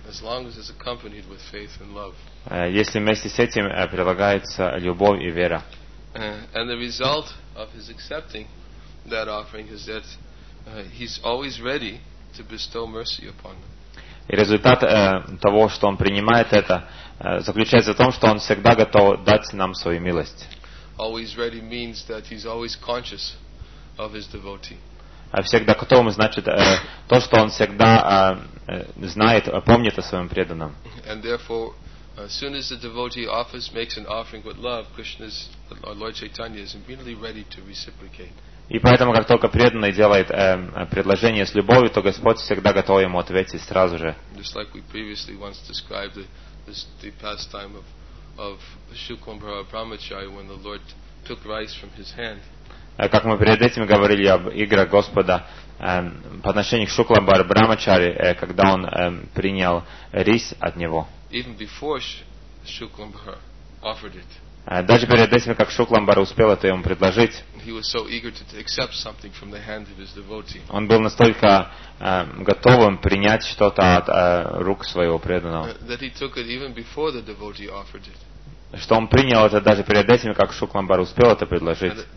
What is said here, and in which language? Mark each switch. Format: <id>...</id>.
<ru>Если вместе с этим прилагается любовь и вера. И результат того, что он принимает это, заключается в том, что он всегда готов дать нам свою милость.</ru> <en>Always ready means that he's always conscious of his devotee.</en> <ru>Всегда готов, значит, то, что он всегда знает, помнит о своем преданном.</ru> <en>And therefore, as soon as the devotee offers, makes an offering with love, Krishna's, or Lord Chaitanya, is immediately ready to reciprocate.</en> <ru>И поэтому, как только преданный делает предложение с любовью, то Господь всегда готов ему ответить сразу же.</ru> <en>Just like we previously once described the pastime of Shukumbhara Brahmachari when the Lord took rice from his hand.</en> <ru>Как мы перед этим говорили об играх Господа по отношению к Шукламбар Брамачари, когда он принял рис от него.</ru> <en>Even before Shukumbhara offered it.</en> <ru>Даже перед этим, как Шукламбар успел это ему предложить,</ru> <en>he was so eager to accept something from the hand of his devotee.</en> <ru>Он был настолько готовым принять что-то от рук своего преданного.</ru> <en>That he took it even before the devotee offered it.</en> <ru>Что он принял это даже перед этим, как Шукламбар успел это предложить.</ru>